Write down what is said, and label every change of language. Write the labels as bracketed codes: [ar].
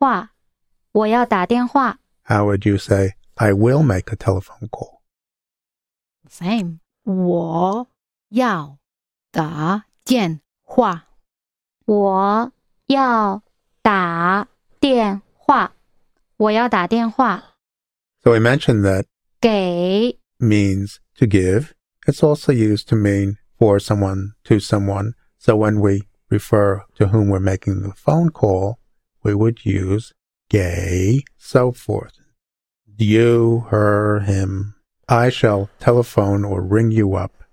[zh] 我要打电话。我要打电话。我要打电话。 [en] How would you say, I will make a telephone call? Same. [zh] 我要打电话。我要打电话。我要打电话。 [en] So we mentioned that [zh] 给 [en] means to give. It's also used to mean for someone, to someone. So when we refer to whom we're making the phone call, we would use 给, so forth. You, her, him. I shall telephone or ring you up.